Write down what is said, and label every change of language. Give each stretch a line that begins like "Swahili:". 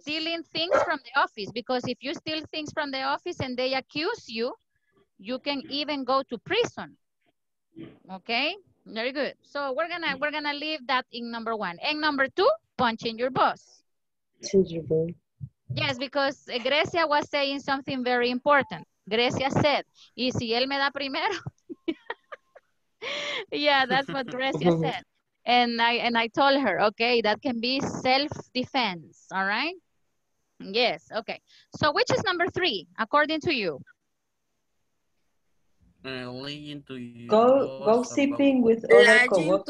English: Stealing things from the office. Because if you steal things from the office and they accuse you, you can even go to prison. Okay, very good. So we're gonna leave that in number one. And number two, punching your boss. Teachable. Yes, because Grecia was saying something very important. Grecia said,
Spanish: y si él me da primero.
English: Yeah, that's what Grecia said. And I told her, okay, that can be self-defense, all right? Yes, okay. So which is number three, according to you? Gossiping with other co-workers.